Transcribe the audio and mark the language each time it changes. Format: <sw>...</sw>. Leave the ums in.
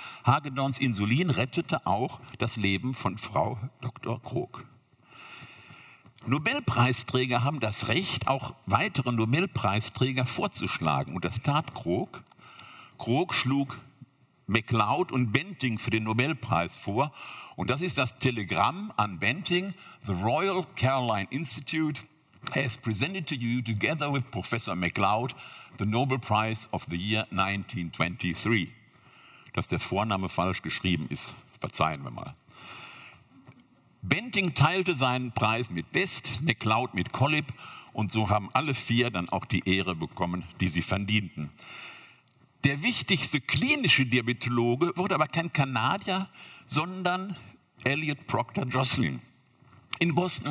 <de>Hagedorns Insulin rettete auch das Leben von Frau Dr. Krog. Nobelpreisträger haben das Recht, auch weitere Nobelpreisträger vorzuschlagen. Und das tat Krog. Krog schlug MacLeod und Benting für den Nobelpreis vor. Und das ist das Telegramm an Benting.</de> <en>The Royal Caroline Institute has presented to you, together with Professor MacLeod, the Nobel Prize of the year 1923.</en> <de>Dass der Vorname falsch geschrieben ist, verzeihen wir mal. Benting teilte seinen Preis mit West, MacLeod mit Collip und so haben alle vier dann auch die Ehre bekommen, die sie verdienten. Der wichtigste klinische Diabetologe wurde aber kein Kanadier, sondern Elliot Proctor Jocelyn in Boston.</de>